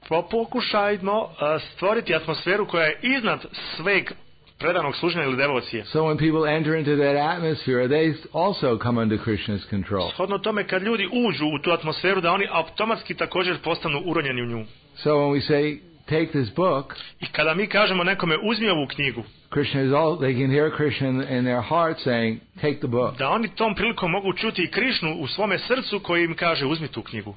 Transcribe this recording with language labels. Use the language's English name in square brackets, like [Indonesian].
[Bosnian] Pokušajmo stvoriti atmosferu koja je iznad sveg predanog služenja ili devocije. [English] So when people enter into that atmosphere, they also come under Krishna's control. [Bosnian] Shodno tome, kad ljudi uđu u tu atmosferu, da oni automatski također postanu uronjeni u nju. [English] So when we say, take this book, [Bosnian] i kada mi kažemo nekome, uzmi ovu knjigu, [English] Krishna is all, they can hear Krishna in their heart saying, take the book. [Bosnian] Da oni tom prilikom mogu čuti Krišnu u svome srcu koji im kaže, uzmi tu knjigu.